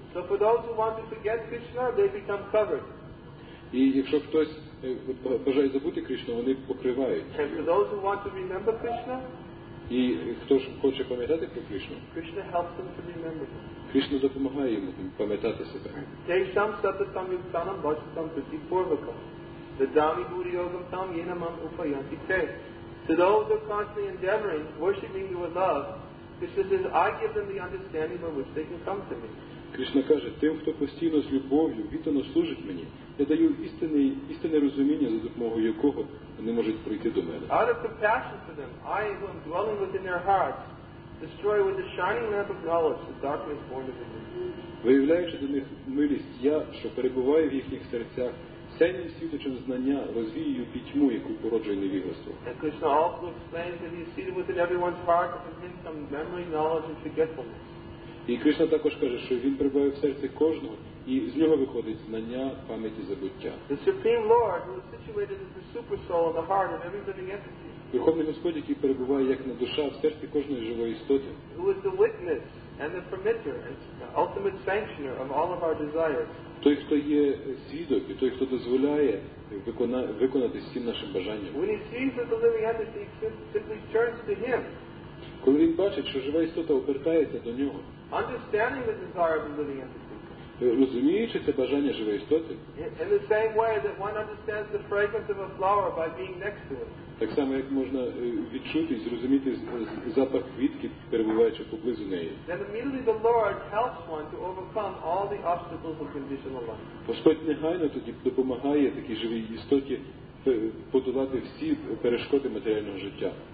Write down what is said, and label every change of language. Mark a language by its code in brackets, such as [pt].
[en] So for those who want to forget Krishna, they become covered. [uk] І якщо хтось бажає забути Кришну, вони покривають. [en] And for those who want to remember Krishna, [uk] і хто ж хоче пам'ятати про Кришну? [en] Krishna helps them to remember. [uk] Кришна допомагає йому пам'ятати себе. [sa] Тейшам сататам юктанам бачатам прити порвакам. Дадамі бурі йогам там єнамам упаянті те. [en] To those who are constantly endeavoring, worshiping me with love, Krishna says, I give them the understanding by which they can come to me. [uk] Кришна каже, тим, хто постійно з любов'ю, віддано служить мені, я даю істинне розуміння, за допомогою якого вони можуть прийти до мене. [en] Out of compassion for them, I am dwelling within their hearts destroy with the shining lamp of knowledge the darkness born within them. [uk] Виявляючи до них милість, я, що перебуваю в їхніх серцях, сяйним світочем знання розвіюю пітьму, яку породжує невігластво. [en] And Krishna also explains that he is seated within everyone's heart to prevent some memory, knowledge and forgetfulness. [uk] І Кришна також каже, що він прибуває в серці кожного, і з нього виходить знання, пам'ять і забуття. [en] The Supreme Lord, who is situated as the super soul in the heart of every living entity. [uk] Верховний Господь, який перебуває як на душа в серці кожної живої істоти. [en] Who is the witness and the permitter and the ultimate sanctioner of all of our desires. [uk] Той, хто є свідок, і той, хто дозволяє виконати всім нашим бажанням. [en] When he sees that the living entity simply turns to him. [uk] Коли він бачить, що жива істота обертається до нього. [en] Understanding the desire of the living entity. [uk] Розуміючи це бажання живої істоти. [en] In the same way that one understands the fragrance of a flower by being next to it. [uk] Так само, як можна відчути і зрозуміти запах квітки, перебуваючи поблизу неї. [en] Then immediately the Lord helps one to overcome all the obstacles of conditional life. [uk] Господь негайно тоді допомагає такій живій істоті подолати всі перешкоди матеріального життя.